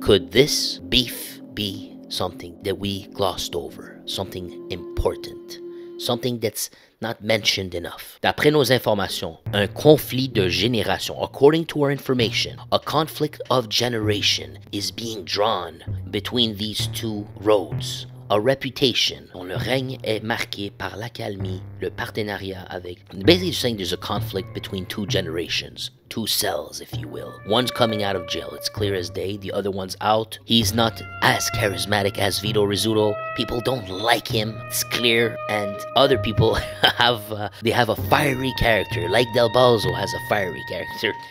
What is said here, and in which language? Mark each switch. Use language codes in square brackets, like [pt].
[en] Could this beef be something that we glossed over? Something important? Something that's not mentioned enough? [fr] D'après nos informations, un conflit de génération. [en] According to our information, a conflict of generation is being drawn between these two roads. a reputation. [fr] Mon règne est marqué par l'accalmie, le partenariat avec... [en] Basically saying there's a conflict between two generations. Two cells, if you will. One's coming out of jail, it's clear as day. The other one's out. He's not as charismatic as Vito Rizzuto. People don't like him, it's clear. And other people have a fiery character, like Del Balso has a fiery character.